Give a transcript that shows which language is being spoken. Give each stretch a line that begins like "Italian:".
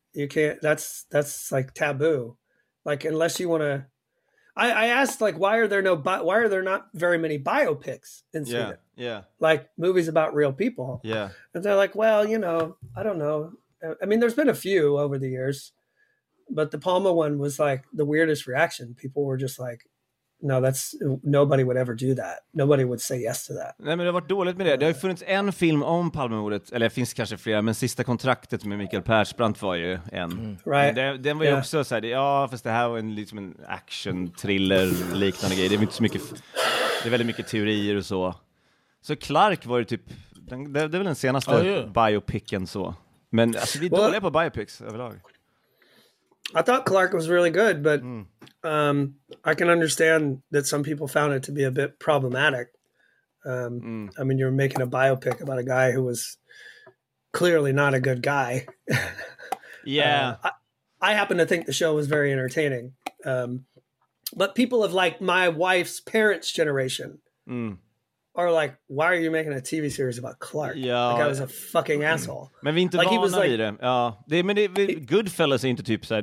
English: You can't, that's like taboo. Like, unless you want to, I asked, like, why are there not very many biopics in Sweden? Yeah, yeah. Like movies about real people. Yeah. And they're like, well, you know, I don't know. I mean, there's been a few over the years, but the Palme one was like the weirdest reaction. People were just like, no, that's, nobody would ever do that. Nobody would say yes to that.
Swedish: Nej, men det har varit dåligt med det. Det har ju funnits en film om Palmemordet, eller det finns kanske flera, men Sista kontraktet med Mikael Persbrandt var ju en.
English: Mm. Right.
Swedish: Den var ju också så här, ja, fast det här var en liksom en action thriller liknande grej. Det är inte så mycket, det är väldigt mycket teorier och så. Så Clark var ju typ, det är väl den senaste biopicen så. Men alltså, vi är dåliga på biopics överlag.
English: I thought Clark was really good, but I can understand that some people found it to be a bit problematic. I mean, you're making a biopic about a guy who was clearly not a good guy. Yeah. I happen to think the show was very entertaining. But people of like my wife's parents' generation are like, why are you making a TV series about Clark?
Swedish: Ja.
English: The guy was a fucking asshole.
Swedish: Men vi är inte
English: like,
Swedish: vana vid
English: like,
Swedish: det. Ja. Det, men det, Goodfellas är inte typ så här.